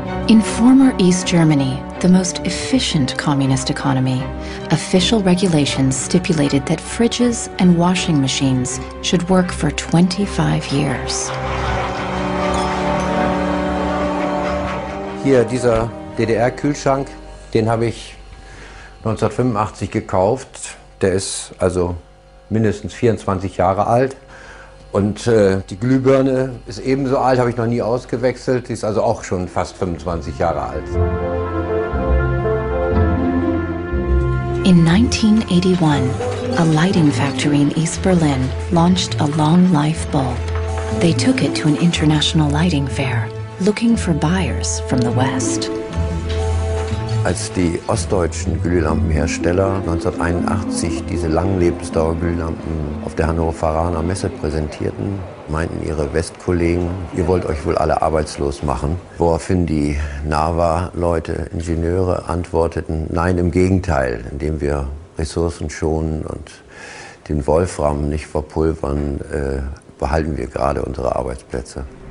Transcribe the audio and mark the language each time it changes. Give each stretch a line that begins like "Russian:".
English: In former East Germany, the most efficient communist economy, official regulations stipulated that fridges and washing machines should work for 25 years.
German: Hier dieser DDR-Kühlschrank, den habe ich 1985 gekauft. Der ist also mindestens 24 Jahre alt. Und die Glühbirne ist ebenso alt, habe ich noch nie ausgewechselt. Die ist also auch schon fast 25 Jahre alt.
English: In 1981, a lighting factory in East Berlin launched a long life bulb. They took it to an international lighting fair, looking for buyers from the West.
German: Als die ostdeutschen Glühlampenhersteller 1981 diese langen Lebensdauerglühlampen auf der Hannoveraner Messe präsentierten, meinten ihre Westkollegen, ihr wollt euch wohl alle arbeitslos machen. Woraufhin die NAVA-Leute, Ingenieure, antworteten, nein, im Gegenteil, indem wir Ressourcen schonen und den Wolfram nicht verpulvern, behalten wir gerade unsere Arbeitsplätze.